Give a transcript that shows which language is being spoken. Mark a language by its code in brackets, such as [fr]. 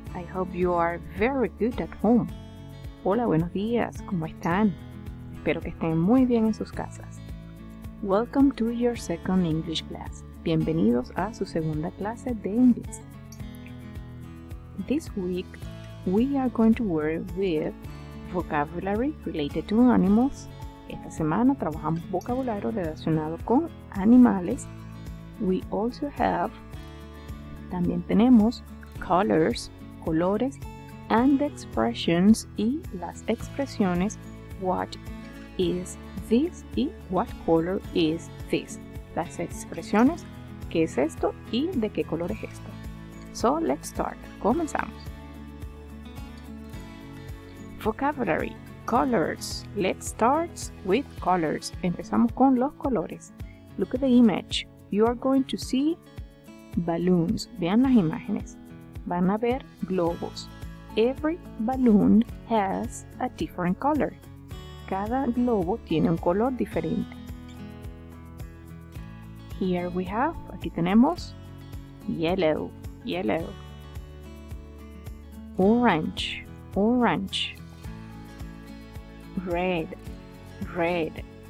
[en] I hope you are very good at home. [es] Hola, buenos días. ¿Cómo están? Espero que estén muy bien en sus casas. [en] Welcome to your second English class. [es] Bienvenidos a su segunda clase de inglés. [en] This week, we are going to work with vocabulary related to animals. [es] Esta semana trabajamos vocabulario relacionado con animales. [en] We also have [es] También tenemos [en] colors, colores, and expressions [es] y las expresiones [en] what is this y what color is this. [es] Las expresiones qué es esto y de qué color es esto. [en] So let's start. [es] Comenzamos. [en] Vocabulary, colors. Let's start with colors. [es] Empezamos con los colores. [en] Look at the image. You are going to see balloons. [es] Vean las imágenes. Van a ver globos. [en] Every balloon has a different color. [es] Cada globo tiene un color diferente. [en] Here we have, [es] aquí tenemos [en] yellow, yellow. Orange, orange. Red, red.